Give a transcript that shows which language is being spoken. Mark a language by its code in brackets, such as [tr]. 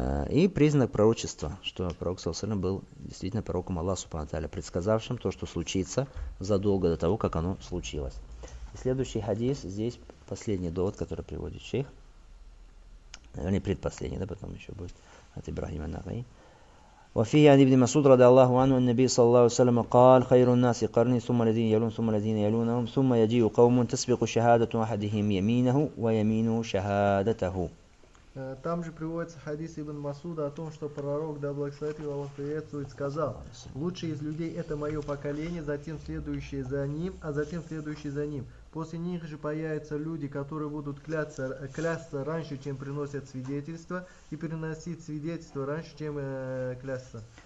[ru] И признак пророчества, что пророк Саусалим был действительно пророком Аллаха Субхану Тааля, предсказавшим то, что случится задолго до того, как оно случилось. И следующий хадис, здесь последний довод, который приводит шейх, наверное, предпоследний, да, потом еще будет от Ибрахима Нагаи. [ar] وفيه عن ابن مسعود رضي الله عنه النبي صلى الله عليه وسلم قال خير الناس قرني ثم الذين يلون ثم الذين يلونهم ثم يجيء قوم تسبق شهادة أحدهم يمينه ويمينه شهادته. [ru] Там же приводится хадис ибн Масуда о том, что пророк, да благословит его Аллах, приветствует, сказал: лучший из людей это мое поколение, затем следующие за ним, а затем следующие за ним. После них же появятся люди, которые будут клясться раньше, чем приносят свидетельство, и приносить свидетельство раньше, чем клясться.